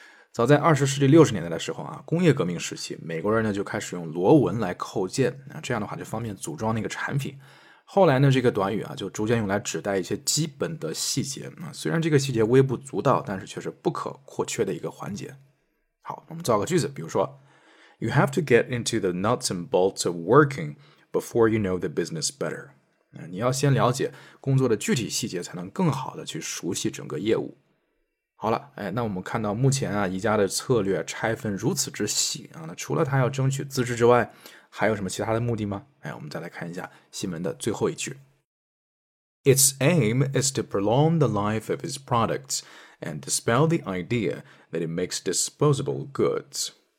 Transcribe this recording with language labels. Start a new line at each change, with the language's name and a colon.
Chinese: 早在20世纪60年代的时候啊工业革命时期美国人呢就开始用螺纹来扣件、啊、这样的话就方便组装那个产品。后来呢这个短语啊就逐渐用来指代一些基本的细节、啊、虽然这个细节微不足道但是却是不可或缺的一个环节。好我们造个句子比如说
English: ,You have to get into the nuts and bolts of working before you know the business better.
Chinese: 你要先了解工作的具体细节才能更好的去熟悉整个业务。好了、哎、那我们看到目前啊宜家的策略拆分如此之细、啊、那除了他要争取资质之外还有什么其他的目的吗、哎、我们再来看一下新闻的最后一句。
English: Its aim is to prolong the life of its products and dispel the idea that it makes disposable goods.